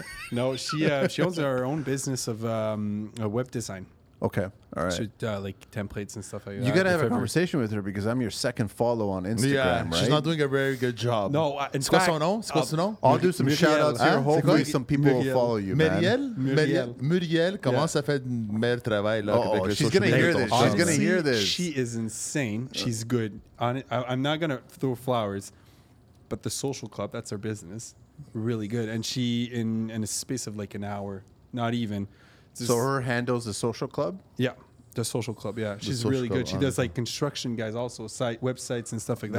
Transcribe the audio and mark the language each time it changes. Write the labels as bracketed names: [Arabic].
[English] No, she owns her own business of web design. Okay. All right. Like templates and stuff like that. You got to have a conversation with her because I'm your second follow on Instagram, yeah, right? She's not doing a very good job. No, in fact. I'll do some shout-outs here. Hopefully some people will follow you, man. [French] Muriel, comment ça fait un meilleur travail? [English] She's going to hear this. She's going to hear this. She is insane. She's good. I'm not going to throw flowers, but the social club, that's her business, really good. And she, in a space of like an hour, not even... So her handles the social club? Yeah, the social club, yeah. She's really good. She does like construction guys also, websites and stuff like that.